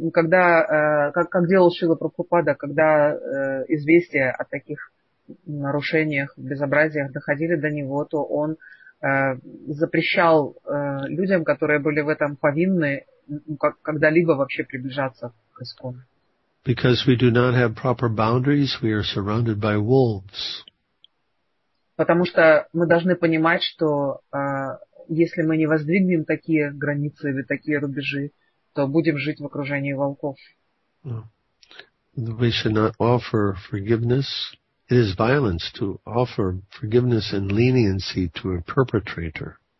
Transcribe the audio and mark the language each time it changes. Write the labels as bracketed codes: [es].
[ru] Как делал Шрила Прабхупада, когда известия о таких нарушениях, безобразиях доходили до него, то он запрещал людям, которые были в этом повинны, когда-либо вообще приближаться к ИСКОН. [en] Because we do not have proper boundaries, we are surrounded by wolves. [ru] Потому что мы должны понимать, что если мы не воздвигнем такие границы или такие рубежи, то будем жить в окружении волков. [en] We should not offer forgiveness. It is violence to offer forgiveness and leniency to a perpetrator.